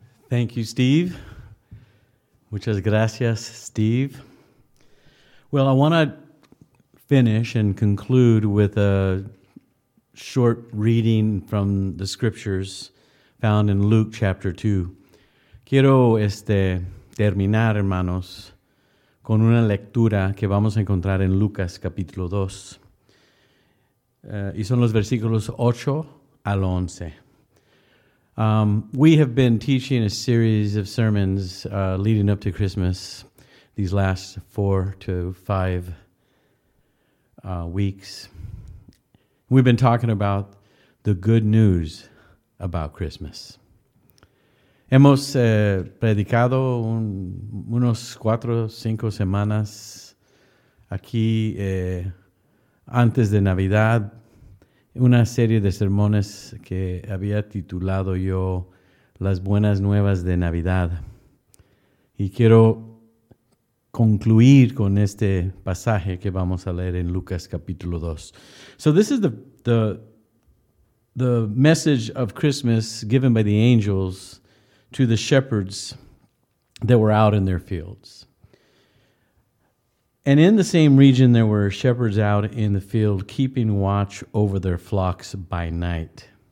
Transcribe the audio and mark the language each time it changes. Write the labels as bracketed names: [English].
[English] Thank you, Steve. [Spanish] Muchas gracias, [English] Steve. Well, I want to finish and conclude with a short reading from the scriptures found in Luke chapter 2. [Spanish] Quiero terminar, hermanos, con una lectura que vamos a encontrar en Lucas capítulo 2. Y son los versículos 8 al 11. [English] We have been teaching a series of sermons leading up to Christmas these last 4 to 5 weeks. We've been talking about the good news about Christmas. [Spanish] Hemos predicado unos 4 o 5 semanas aquí antes de Navidad una serie de sermones que había titulado yo Las Buenas Nuevas de Navidad. Y quiero concluir con este pasaje que vamos a leer en Lucas capítulo 2. [English] So this is the message of Christmas given by the angels to the shepherds that were out in their fields. And in the same region there were shepherds out in the field keeping watch over their flocks by night.